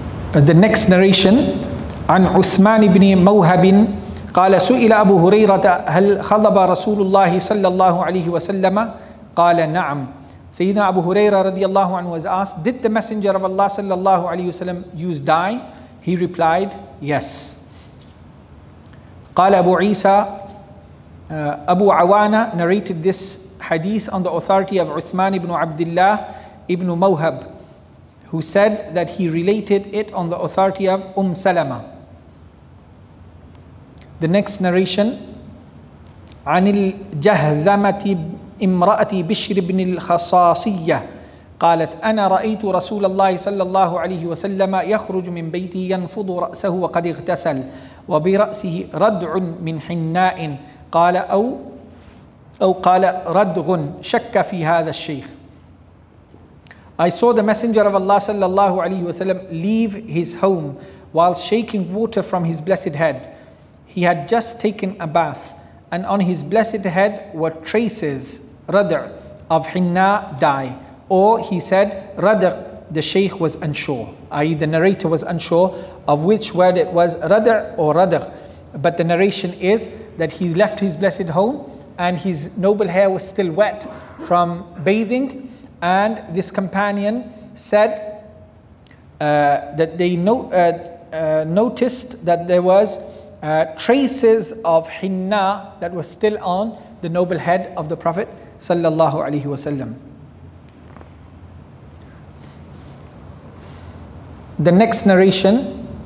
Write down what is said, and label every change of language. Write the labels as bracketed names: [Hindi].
[English] The next narration, [Arabic] عن عثمان بن موهب قال سئل أبو هريرة هل خضب رسول الله صلى الله عليه وسلم قال نعم. [English] Sayyidina Abu Huraira radiallahu anhu was asked, did the Messenger of Allah sallallahu alayhi wa sallam use dye? He replied, yes. [Arabic] قال أبو عيسى, [English] Abu Awana narrated this hadith on the authority of Uthman ibn Abdullah Ibn Mawhab, who said that he related it on the authority of Salama. The next narration, [Arabic] Anil Jahzamati Imra'ati Bishr ibn al-Khasasiyya قالت أنا رأيت رسول الله صلى الله عليه وسلم يخرج من بيتي ينفض رأسه وقد اغتسل وبرأسه ردع من حناء قال أو قال ردغ شك في هذا الشيخ. [English] I saw the messenger of Allah صلى الله عليه وسلم leave his home while shaking water from his blessed head. He had just taken a bath and on his blessed head were traces ردع of حناء dye. Or he said, Radr, the Shaykh was unsure, i.e. the narrator was unsure of which word it was, Radr or Radr. But the narration is that he left his blessed home and his noble hair was still wet from bathing. And this companion said that they noticed that there was traces of Hinna that were still on the noble head of the Prophet sallallahu alaihi wasallam. The next narration,